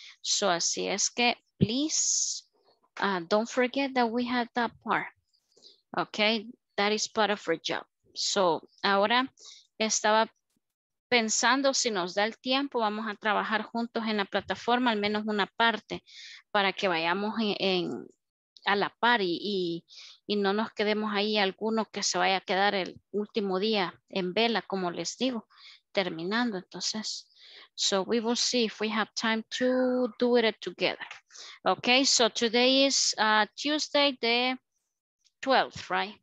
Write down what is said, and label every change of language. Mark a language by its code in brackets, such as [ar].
[en] So [es] así es que, [en] please, don't forget that we have that part, okay? That is part of our job. [es] So ahora estaba pensando si nos da el tiempo, vamos a trabajar juntos en la plataforma, al menos una parte, para que vayamos a la par y no nos quedemos ahí alguno que se vaya a quedar el último día en vela, como les digo, terminando. [en] Entonces, so we will see if we have time to do it together. Okay, so today is Tuesday the 12th, right?